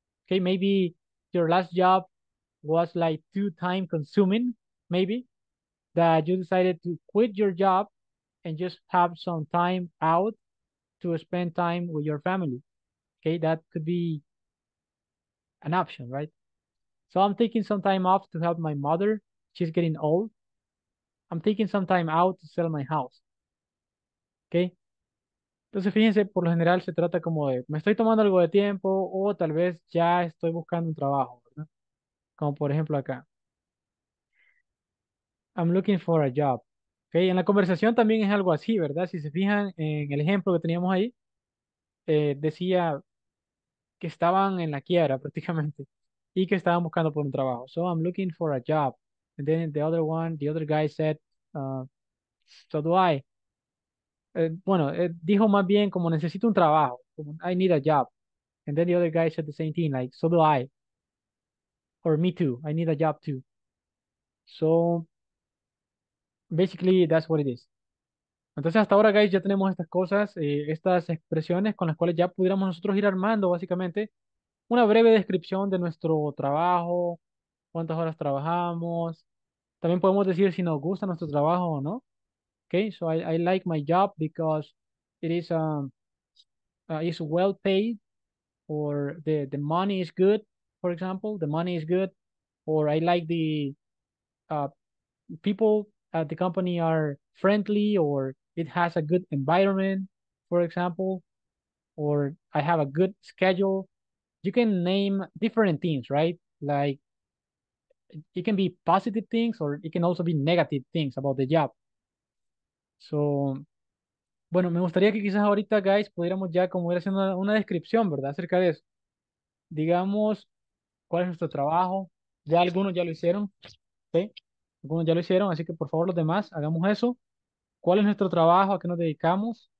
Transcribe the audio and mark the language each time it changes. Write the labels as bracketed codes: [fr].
[en] Okay, maybe your last job was like too time consuming, maybe, that you decided to quit your job and just have some time out to spend time with your family. Okay, that could be an option, right? So I'm taking some time off to help my mother. She's getting old. I'm taking some time out to sell my house. Okay. [es] Entonces, fíjense, por lo general se trata como de me estoy tomando algo de tiempo o tal vez ya estoy buscando un trabajo, ¿verdad? Como por ejemplo acá. [en] I'm looking for a job. [es] Okay. En la conversación también es algo así, ¿verdad? Si se fijan en el ejemplo que teníamos ahí, decía que estaban en la quiebra prácticamente y que estaban buscando por un trabajo. [en] So I'm looking for a job. And then the other one, the other guy said, so do I. [es] Bueno, dijo más bien como necesito un trabajo, como [en] I need a job. And then the other guy said the same thing, like, so do I. Or me too, I need a job too. So, basically, that's what it is. [es] Entonces, hasta ahora, guys, ya tenemos estas cosas, estas expresiones con las cuales ya pudiéramos nosotros ir armando, básicamente, una breve descripción de nuestro trabajo, cuántas horas trabajamos. También podemos decir si nos gusta nuestro trabajo o no. [en] Okay, so I like my job because it is it's well paid, or the money is good, for example, the money is good, or I like the people at the company are friendly, or it has a good environment, for example, or I have a good schedule. You can name different things, right? Like it can be positive things or it can also be negative things about the job. [es] So, bueno, me gustaría que quizás ahorita, guys, pudiéramos ya como ir haciendo una descripción, ¿verdad? Acerca de eso. Digamos, ¿cuál es nuestro trabajo? Ya algunos ya lo hicieron, ¿sí? Algunos ya lo hicieron, así que por favor los demás, hagamos eso. ¿Cuál es nuestro trabajo? ¿A qué nos dedicamos?